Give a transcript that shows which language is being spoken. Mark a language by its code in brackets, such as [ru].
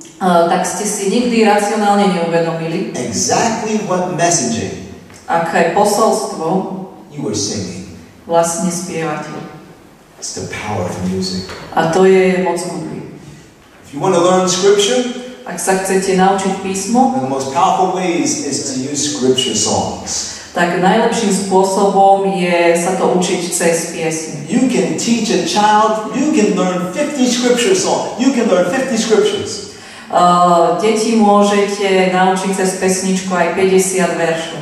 [sk] tak ste si nikdy racionálne neuvedomili, [en] exactly what messaging, [sk] aké posolstvo, [en] you were singing, [sk] vlastne spievate. [en] It's the power of music. [sk] A to je moc hudby. [en] If you want to learn scripture, [sk] ak sa chcete naučiť písmo, [en] the most powerful way is to use scripture songs. [sk] Tak najlepším spôsobom je sa to učiť cez piesne. [en] You can teach a child, you can learn 50 scripture songs. You can learn 50 scriptures. [sk] Deti môžete naučiť cez pesničku aj 50 veršov.